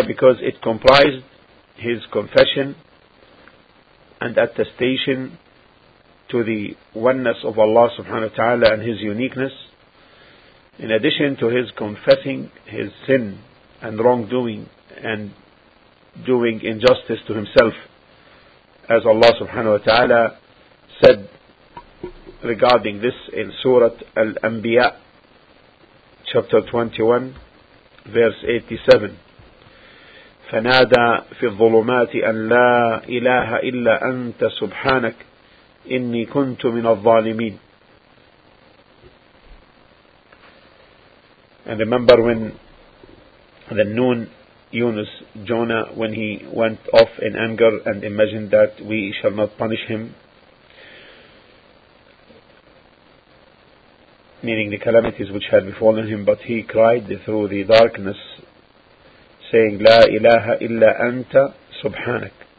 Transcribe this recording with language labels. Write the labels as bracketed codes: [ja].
[en] Because it comprised his confession and attestation to the oneness of Allah subhanahu wa ta'ala and his uniqueness, in addition to his confessing his sin and wrongdoing and doing injustice to himself, as Allah subhanahu wa ta'ala said regarding this in Surah Al-Anbiya, chapter 21, verse 87. [ar] فنادى في الظلمات أن لا إله إلا أنت سبحانك إني كنت من الظالمين. [en] And remember when the Noon, Yunus, Jonah, when he went off in anger and imagined that we shall not punish him, meaning the calamities which had befallen him, but he cried through the darkness saying, [ar] La ilaha illa anta subhanak.